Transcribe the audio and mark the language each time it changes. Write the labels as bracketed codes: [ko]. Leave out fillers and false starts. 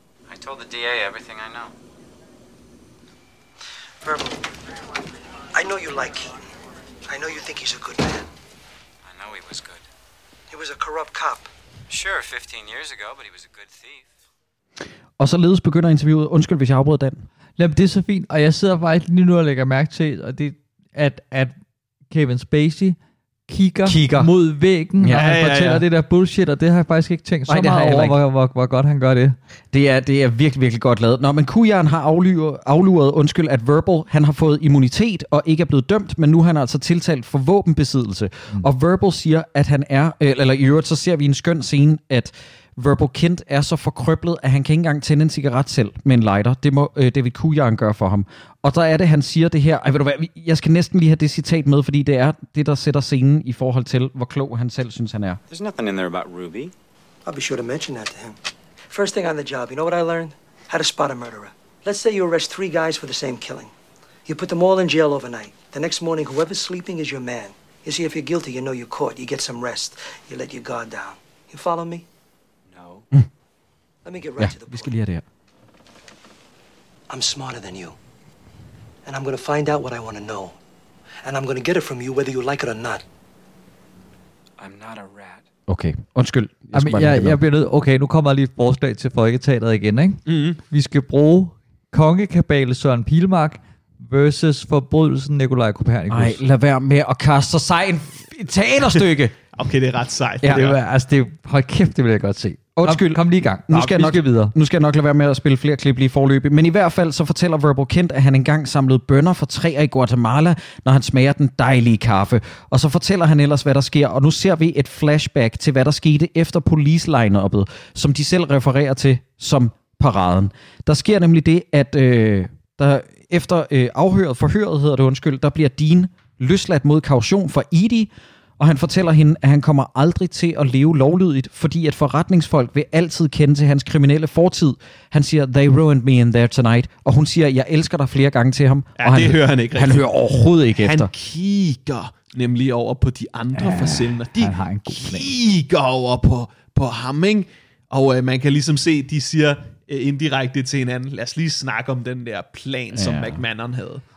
[en] I told the DA everything I know. Verbal, I know you like Keaton. I know you think he's a good man. I know he was good. He was a corrupt cop. Sure, 15 years ago, but he was a good thief. [da] Og så ledes begynder interviewet. Undskyld, hvis jeg afbryder den. Jamen, det er så fint, og jeg sidder faktisk lige nu og lægger mærke til, og det, at Kevin Spacey kigger mod væggen, ja, og han fortæller det der bullshit, og det har jeg faktisk ikke tænkt så meget over, hvor godt han gør det. Det er virkelig, virkelig godt lavet. Nå, men Kujan har afluret, undskyld, at Verbal, han har fået immunitet og ikke er blevet dømt, men nu er han altså tiltalt for våbenbesiddelse. Mm. Og Verbal siger, at han er, eller i øvrigt, så ser vi en skøn scene, at Verbal Kent er så forkrøblet, at han kan ikke engang tænde en cigaret selv med en lighter. Det må David Kujan gøre for ham. Og der er det, han siger det her. Ej, ved du hvad, jeg skal næsten lige have det citat med, fordi det er det, der sætter scenen i forhold til, hvor klog han selv synes, han er. [en] There's nothing in there about Ruby. I'll be sure to mention that to him. First thing on the job, you know what I learned? How to spot a murderer. Let's say you arrest three guys for the same killing. You put them all in jail overnight. The next morning, whoever's sleeping is your man. You see, if you're guilty, you know you're caught. You get some rest. You let your guard down. You follow me? No. Let me get right to the point. [da] Ja, vi skal lige have det her. [en] I'm smarter than you. And I'm gonna find out what I want to know. And I'm gonna get it from you, whether you like it or not. I'm not a rat. [da] Okay, undskyld. Jeg bliver nødt. Okay, nu kommer jeg lige et forslag til Folketeateret igen, ikke? Mm-hmm. Vi skal bruge Kongekabale Søren Pilmark versus Forbrydelsen Nikolaj Kopernikus. Nej, lad være med at kaste sig en teaterstykke. Okay, det er ret sejt. Ja, det er, altså, det, hold kæft, det vil jeg godt se. Undskyld, kom lige i gang. Nu skal jeg nok lade være med at spille flere klip lige forløbig. Men i hvert fald så fortæller Verbal Kent, at han engang samlede bønner for træer i Guatemala, når han smager den dejlige kaffe. Og så fortæller han ellers, hvad der sker. Og nu ser vi et flashback til, hvad der skete efter police line-uppet, som de selv refererer til som paraden. Der sker nemlig det, at der bliver Dean løsladt mod kaution for Edie. Og han fortæller hende, at han kommer aldrig til at leve lovlydigt, fordi at forretningsfolk vil altid kende til hans kriminelle fortid. Han siger, [en] they ruined me in there tonight. [da] Og hun siger, jeg elsker dig flere gange til ham. Ja, og han, det hører han ikke rigtigt. Han hører overhovedet ikke han efter. Han kigger nemlig over på de andre forsendere. De han har en god kigger plan. Over på ham, ikke? Og man kan ligesom se, de siger indirekte til hinanden, lad os lige snakke om den der plan, som McMahon havde.